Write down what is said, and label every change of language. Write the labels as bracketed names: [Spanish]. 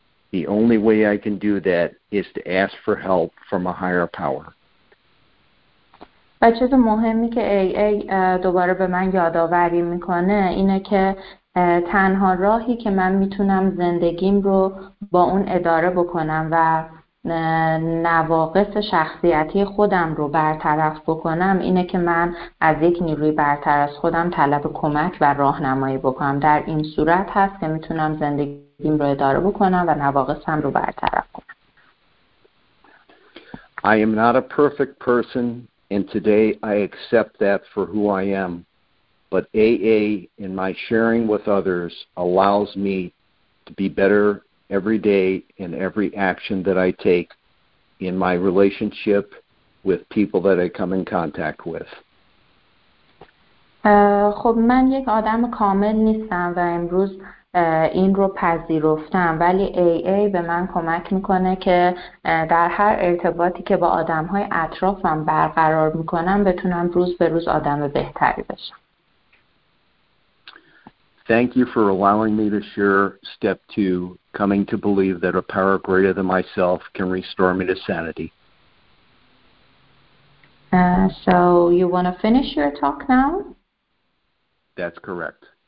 [English] The only way I can do that is to ask for help from a higher power. [Persian] و چیز مهمی که AA دوباره به من یادآوری میکنه اینه که تنها راهی که من میتونم زندگیم رو با اون اداره بکنم و نواقص شخصیتی خودم رو برطرف بکنم اینه که من از یک نیروی برتر از خودم طلب کمک و راهنمایی بکنم. در این صورت هست که میتونم زندگیم رو اداره بکنم و نواقصم رو برطرف کنم. [English] I am not a perfect person, and today I accept that for who I am. But AA, in my sharing with others, allows me to be better every day in every action that I take in my relationship with people that I come in contact with. [Persian] خب من یک آدم کامل نیستم و امروز این رو پذیرفتم، ولی AA به من کمک میکنه که در هر ارتباطی که با آدم های اطرافم برقرار میکنم بتونم روز به روز آدم بهتری بشم. [English] Thank you for allowing me to share step two, coming to believe that a power greater than myself can restore me to sanity. So you want to finish your talk now? That's correct.